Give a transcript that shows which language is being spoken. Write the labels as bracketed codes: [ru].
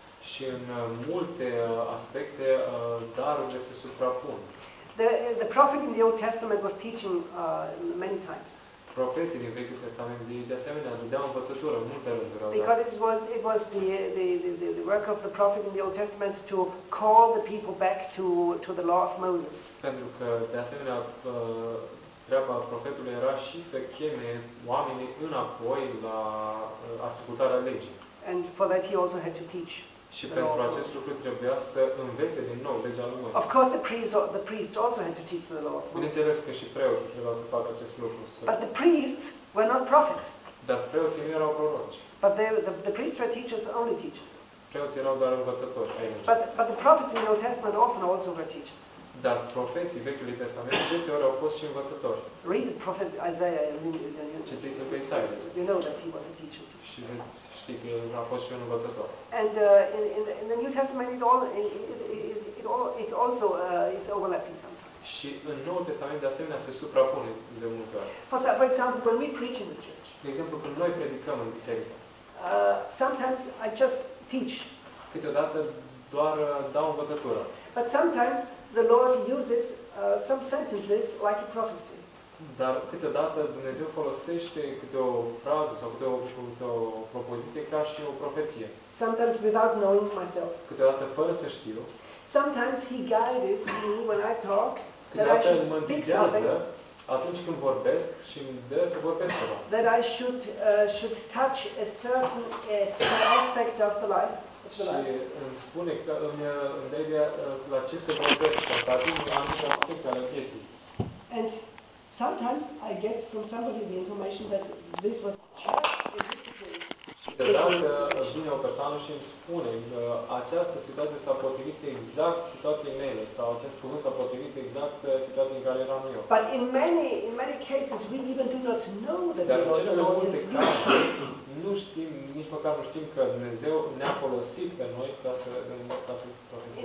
[ro] Și în multe aspecte, darurile se suprapun. [en] The prophet in the Old Testament was teaching many times. [ro] Profeții din Vechiul Testament de asemenea dădeau învățătură multe rânduri. [en] Because it was the work of the prophet in the Old Testament to call the people back to the law of Moses. [ro] Pentru că de asemenea treaba profetului era și să cheme oamenii înapoi la ascultarea legii. [en] And for that he also had to teach. [ro] Și pentru acest lucru trebuia să învețe din nou legea lui Moise. [en] Of course the priests also had to teach the law of Moses. [ro] Bineînțeles că și preoții trebuiau să facă acest lucru. [en] But the priests were not prophets. [ro] Dar preoții nu erau proroci. [en] But the priests were teachers, only teachers. [ro] Preoții erau doar învățători. [en] But the prophets in the Old Testament often also were teachers. [ro] Dar profeții Vechiului Testament deseori au fost și învățători. [en] Read the prophet Isaiah in [ro] Citiți-l pe Isaia. [en] You know that he was a teacher. [ro] Și veți ști că el a fost și un învățător. [en] And in the New Testament it also is overlapping sometimes. [ro] Și în Noul Testament de asemenea se suprapune de multe ori. [en] For example, when we preach in the church. [ro] De exemplu, când noi predicăm în biserică. [en] Sometimes I just teach. [ro] Câteodată doar dau învățătură. [en] But sometimes the Lord uses some sentences like a prophecy. [ro] Dar câteodată Dumnezeu folosește câte o frază sau câte o propoziție ca și o profeție. [en] Sometimes without knowing myself. [ro] Câteodată fără să știu. [en] Sometimes he guides me when I talk. [ro] Câteodată mă ghidează atunci când vorbesc și îmi dă să vorbesc ceva. [en] That I should touch a certain aspect of the life. [ro] Și îmi spune că îmi dă ideea la ce se vorbesc, ca să ating anumite aspecte ale vieții. [en] And sometimes I get from somebody the information that this was true. [ro] Câteodată vine o persoană și îmi spune că această situație s-a potrivit exact situației mele sau acest cuvânt s-a potrivit exact situației în care eram eu. [en] But in many cases we even do not know that the Lord is used. [ro] Nu știm, nici măcar nu știm că Dumnezeu ne-a folosit pe noi ca să profităm.